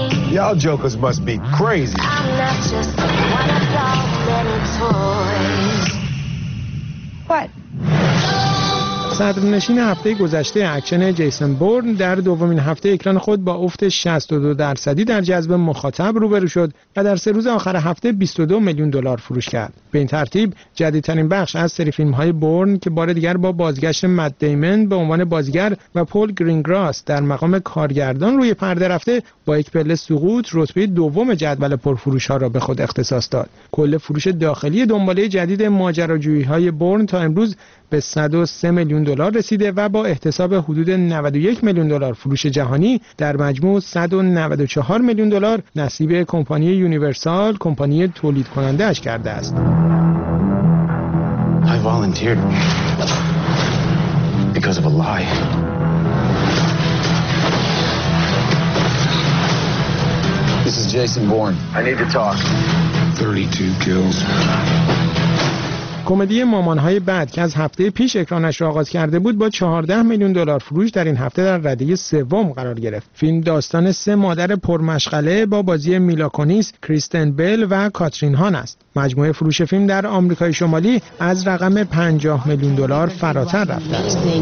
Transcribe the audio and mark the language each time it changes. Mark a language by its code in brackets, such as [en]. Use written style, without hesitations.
[en] Y'all jokers must be crazy. I'm not just one of those little toys. What? [fa] صدرنشین هفته گذشته اکشن جیسون بورن در دومین هفته اکران خود با افت 62% در جذب مخاطب روبرو شد و در سه روز آخر هفته 22 میلیون دلار فروش کرد. به این ترتیب جدیدترین بخش از سری فیلم‌های بورن که بار دیگر با بازگشت مت دیمن به عنوان بازیگر و پول گرینگراس در مقام کارگردان روی پرده رفته با یک پله سقوط رتبه دوم جدول پرفروش‌ها را به خود اختصاص داد. کل فروش داخلی دنباله جدید ماجراجویی‌های بورن تا امروز به 103 میلیون دلار رسیده و با احتساب حدود 91 میلیون دلار فروش جهانی در مجموع 194 میلیون دلار نصیب کمپانی یونیورسال، کمپانی تولید کننده اش کرده است. [en] I volunteered because of a lie. This is Jason Bourne. I need to talk. 32 kills. [fa] کمدی مامانهای بعد که از هفته پیش اکرانش را آغاز کرده بود با 14 میلیون دلار فروش در این هفته در رده سوم قرار گرفت. فیلم داستان سه مادر پرمشغله با بازی میلا کونیس، کریستن بیل و کاترین هان است. مجموعه فروش فیلم در آمریکای شمالی از رقم 50 میلیون دلار فراتر رفته است.